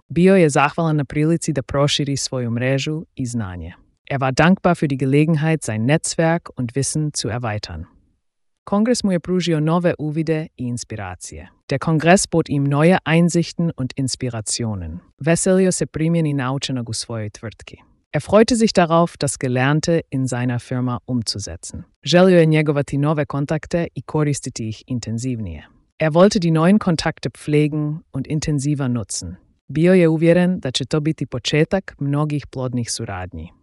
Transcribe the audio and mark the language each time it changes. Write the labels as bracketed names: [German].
[Croatian] Bio je zahvalan na prilici da proširi svoju mrežu i znanje. [German] Er war dankbar für die Gelegenheit, sein Netzwerk und Wissen zu erweitern. [Croatian] Kongres mu je pružio nove uvide i inspiracije. [German] Der Kongress bot ihm neue Einsichten und Inspirationen. [Croatian] Veselio se primjeni naučenog u svojoj tvrtki. [German] Er freute sich darauf, das Gelernte in seiner Firma umzusetzen. [Croatian] Želio je njegovati nove kontakte i koristiti ih intenzivnije. [German] Er wollte die neuen Kontakte pflegen und intensiver nutzen. [Croatian] Bio je uvjeren da će to biti početak mnogih plodnih suradnji.